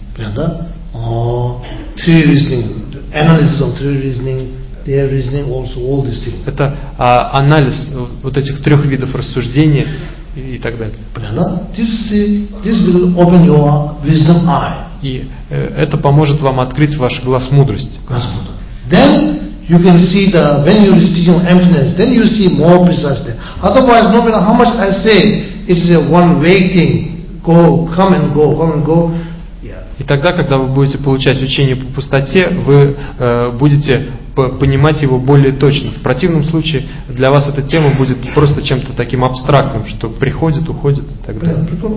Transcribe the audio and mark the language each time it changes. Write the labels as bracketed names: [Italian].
[Russian] Это анализ вот этих трех видов рассуждения. И так далее. [English] This will open your wisdom eye. [Russian] И это поможет вам открыть ваш глаз мудрости. [English] Then you can see the when you receive emptiness, then you see more precisely. Otherwise, no matter how much I say, it's a one vague thing. Go, come and go, come and go. [Russian] И тогда, когда вы будете получать учение по пустоте, вы будете понимать его более точно. В противном случае для вас эта тема будет просто чем-то таким абстрактным, что приходит, уходит и так далее.